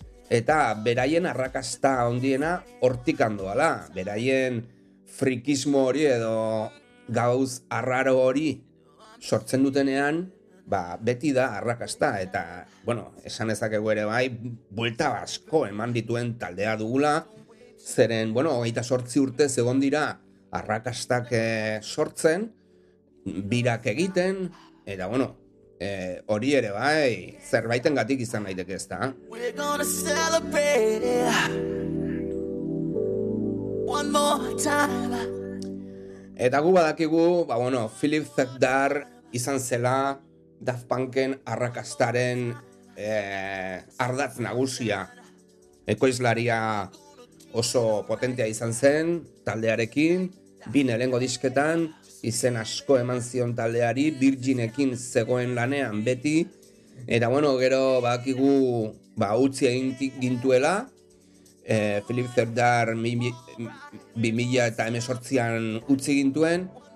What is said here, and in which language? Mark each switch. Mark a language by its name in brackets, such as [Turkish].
[Basque] eta beraien arrakasta ondiena hortikan doala, beraien frikismo hori edo gauz arraro hori sortzen dutenean, ba, beti da arrakasta, eta, bueno, esan ezakegu ere bai, buelta asko eman dituen taldea dugula, zeren, bueno, 28 urte egon dira arrakastak sortzen, birak egiten, eta, bueno, hori ere bai, zerbaiten gatik izan daiteke ez da. [English] We're gonna celebrate it one more time. [Basque] Eta gu badakigu, ba, bueno, Philip Zedar izan zela Daft Punken arrakastaren ardatz nagusia, ekoizlaria oso potentea izan zen taldearekin, bi nelengo disketan izen asko eman zion taldeari, Virginekin zegoen lanean beti, eta bueno, gero bakigu ba, utzi egin gintuela, Philip Zedar 2018an utzi gintuen,